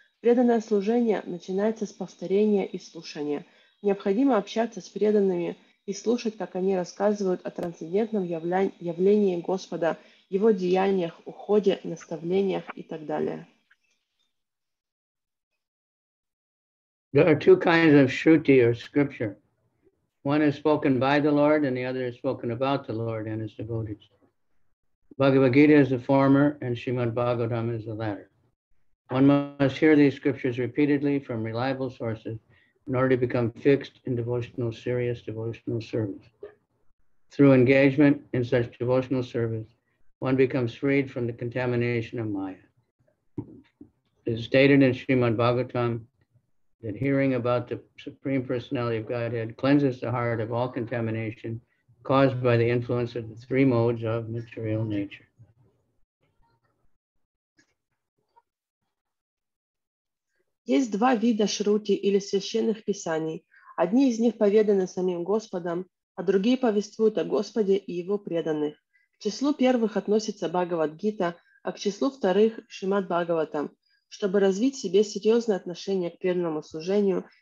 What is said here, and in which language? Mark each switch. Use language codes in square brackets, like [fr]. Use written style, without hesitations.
[ru] Преданное служение начинается с повторения и слушания. Необходимо общаться с преданными и слушать, как они рассказывают о трансцендентном явлении Господа, его деяниях, уходе, наставлениях и так далее. [en] There are two kinds of shruti or scripture. One is spoken by the Lord and the other is spoken about the Lord and his devotees. Bhagavad Gita is the former and Srimad Bhagavatam is the latter. One must hear these scriptures repeatedly from reliable sources in order to become fixed in devotional, serious devotional service. Through engagement in such devotional service, one becomes freed from the contamination of Maya. It is stated in Srimad Bhagavatam that hearing about the Supreme Personality of Godhead cleanses the heart of all contamination caused by the influence of the three modes of material nature. [ru] Есть два вида шрути или священных писаний. Одни из них поведаны самим Господом, а другие повествуют о Господе и его преданных. К числу первых относится Бхагавад-гита, а к числу вторых – Шримад-Бхагаватам. Чтобы развить в себе серьезное отношение к преданному служению,